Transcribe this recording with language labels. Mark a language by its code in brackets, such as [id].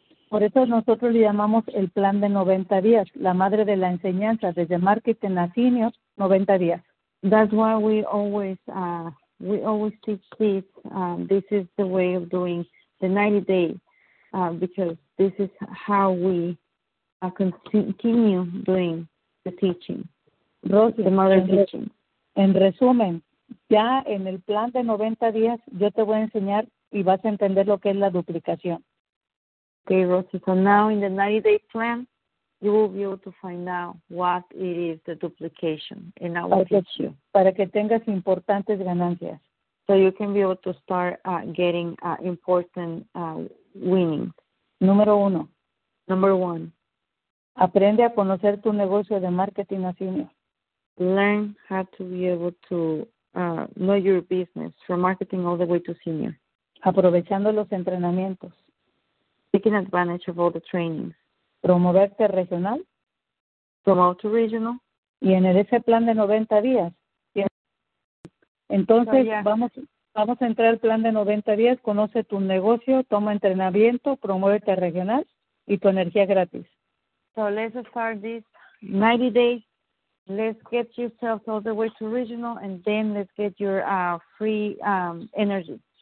[es] Por eso nosotros le llamamos el plan de 90 días, la madre de la enseñanza, desde marketing a senior, 90 días. [en] That's why we always teach this. This is the way of doing the 90 day, because this is how we continue doing the teaching, Rosy, the mother teaching. [es] En resumen, ya en el plan de 90 días, yo te voy a enseñar y vas a entender lo que es la duplicación. [en] Okay, Rosie, so now in the 90-day plan, you will be able to find out what it is the duplication, and I will teach you. [es] Para que tengas importantes ganancias. [en] So you can be able to start getting important winnings. [es] Número uno. [en] Number one. [es] Aprende a conocer tu negocio de marketing a senior. [en] Learn how to be able to know your business from marketing all the way to senior. [es] Aprovechando los entrenamientos. [en] Taking advantage of all the trainings. [es] Promoverte regional. [en] Promote to regional. [es] Y en ese plan de 90 días. Entonces, vamos a entrar al plan de 90 días. Conoce tu negocio, toma entrenamiento, promuévete a regional y tu energía gratis. [en] So, let's start this 90 days. Let's get yourself all the way to regional and then let's get your free energy.